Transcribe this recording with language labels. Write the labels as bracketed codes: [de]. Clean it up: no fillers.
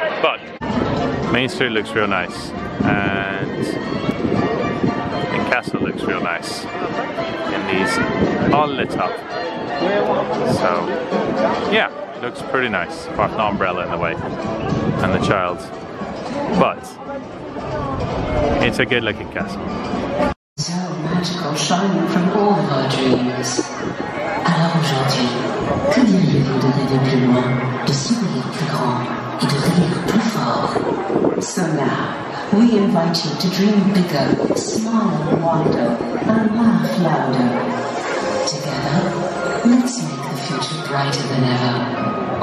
[en] But Main Street looks real nice, and the castle looks real nice, and these all lit up, so yeah, looks pretty nice, apart from the umbrella in the way, and the child, but it's a good looking castle. So magical, shining from all of our dreams. [fr] Alors aujourd'hui, que diriez-vous de rêver plus loin, de sourire plus grand, et de rire plus fort? [en] So now, we invite you to dream bigger, smile wider, and laugh louder. Together, let's make the future brighter than ever.